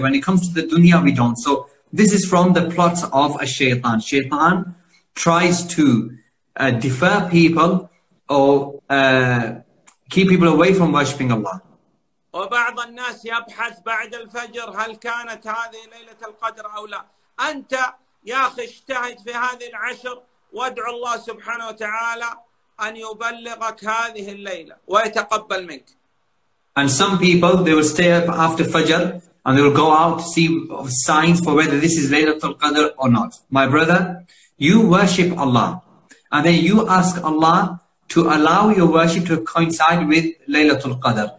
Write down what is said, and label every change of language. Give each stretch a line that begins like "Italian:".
English: When it comes to the dunya, we don't. So this is from the plots of a shaitan. Shaitan tries to defer people or keep people away from worshipping Allah.
Arabic: وبعض الناس يبحث بعد الفجر هل كانت هذه ليلة القدر أو لا. أنت يا أخي اجتهد في هذه العشر وادعو الله سبحانه وتعالى أن يبلغك هذه الليلة ويتقبل منك.
English: And some people, they will stay up after Fajr and they will go out to see signs for whether this is Laylatul Qadr or not. My brother, you worship Allah and then you ask Allah to allow your worship to coincide with Laylatul Qadr.